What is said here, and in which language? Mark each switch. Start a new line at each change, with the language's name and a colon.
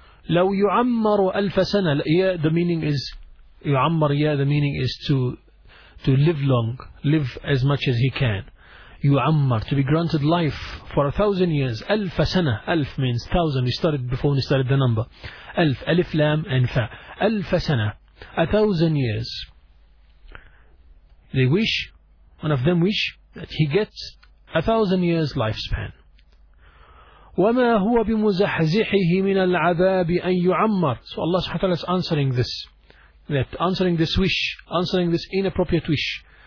Arabic: لَوْ يُعَمَّرُ أَلْفَ سَنَةٍ.
English: Yeah, the meaning is, يُعَمَّر, yeah, the meaning is to live long, live as much as he can. يُعَمَّر, to be granted life for 1,000 years. أَلْفَ سَنَةٍ, ألف means 1,000, we started the number.
Arabic: ألف, ألف لام أنفا. أَلْفَ سَنَةٍ,
English: 1,000 years. They wish, one of them wish, that he gets 1,000 years lifespan.
Arabic: وَمَا هُوَ بِمُزَحْزِحِهِ مِنَ الْعَذَابِ أَنْ يُعَمَّرْ.
English: So Allah subhanahu wa ta'ala is answering this, that answering this inappropriate wish.